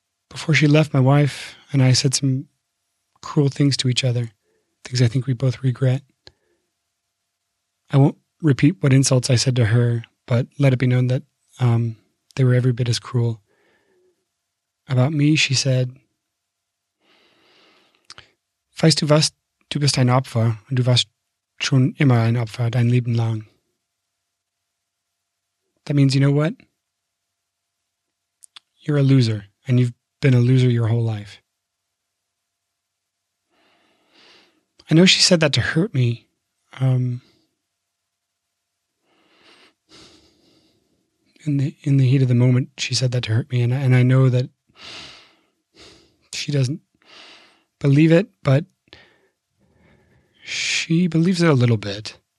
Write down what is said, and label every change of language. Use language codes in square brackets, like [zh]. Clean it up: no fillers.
[en] Before she left, my wife and I said some cruel things to each other, things I think we both regret. I won't repeat what insults I said to her, but let it be known that they were every bit as cruel. About me, she said, [de] Weißt du was, du bist ein Opfer, und du warst schon immer ein Opfer dein Leben lang. [en] That means, you know what? You're a loser, and you've been a loser your whole life. I know she said that to hurt me. In the heat of the moment, she said that to hurt me, and I know that she doesn't believe it, but she believes it a little bit.